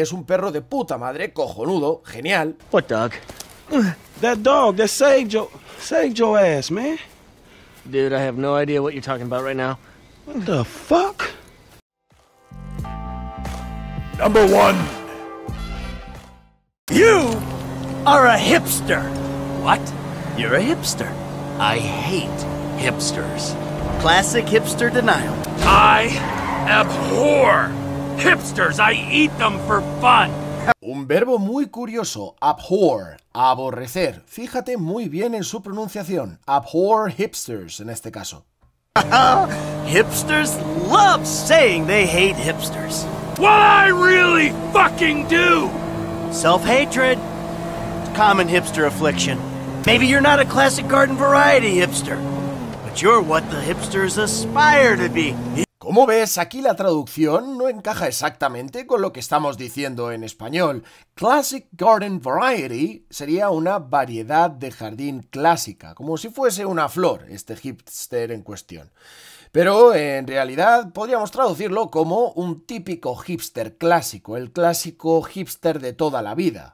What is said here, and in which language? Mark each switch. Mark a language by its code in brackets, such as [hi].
[es] Es un perro de puta madre, cojonudo, genial. [en] What dog? That dog that saved your ass, man. Dude, I have no idea what you're talking about right now. What the fuck? Number one. You are a hipster. What? You're a hipster? I hate hipsters. Classic hipster denial. I abhor hipsters. I eat them for fun. [es] Un verbo muy curioso, [en] abhor, [es] aborrecer. Fíjate muy bien en su pronunciación, [en] abhor hipsters [es] en este caso. [en] Hipsters love saying they hate hipsters. What I really fucking do! Self-hatred, common hipster affliction. Maybe you're not a classic garden variety hipster, but you're what the hipsters aspire to be. [es] Como ves, aquí la traducción no encaja exactamente con lo que estamos diciendo en español. [en] Classic garden variety [es] sería una variedad de jardín clásica, como si fuese una flor, este hipster en cuestión. Pero en realidad podríamos traducirlo como un típico hipster clásico, el clásico hipster de toda la vida.